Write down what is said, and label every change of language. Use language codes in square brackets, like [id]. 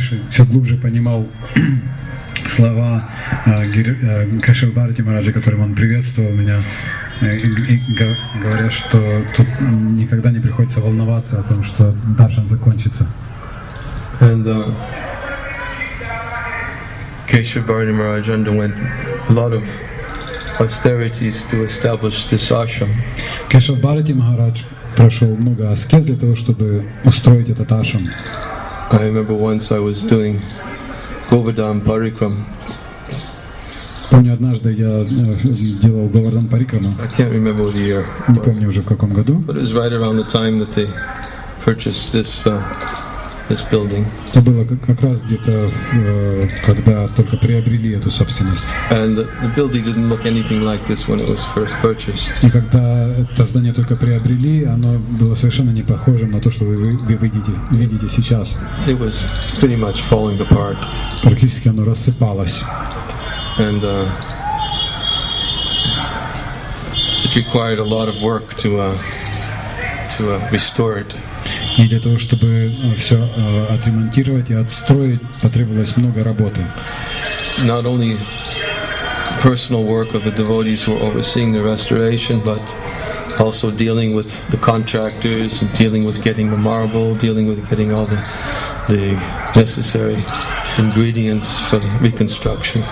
[ru] Все глубже понимал слова Кешава Бхарати Махараджа, которым он приветствовал меня, и говоря, что тут никогда не приходится волноваться о том, что даршан закончится. [en] And Keshava Bharati Maharaj underwent a lot of austerities to establish this ashram. [ru] Кешав Бхарати Махарадж прошел много аскез для того, чтобы устроить этот ашрам. [en] I remember once I was doing Govardhan Parikram. [ru] Помню, однажды я делал Говардхан Парикрама. [en] I can't remember the year. [ru] Не помню уже в каком году. [en] But it was right around the time that they purchased this this building. [ru] Это было как раз где-то когда только приобрели эту собственность. [en] And the building didn't look anything like this when it was first purchased. [ru] И когда это здание только приобрели, оно было совершенно не похожим на то, что вы видите сейчас. [en] It was pretty much falling apart. [ru] Практически оно рассыпалось. [en] And it required a lot of work to restore it. [ru] И для того, чтобы все отремонтировать и отстроить, потребовалось много работы. [en] Not only personal work of the devotees who were overseeing the restoration, but also dealing with the contractors, dealing with getting the marble, dealing with getting all the necessary ingredients for the reconstruction.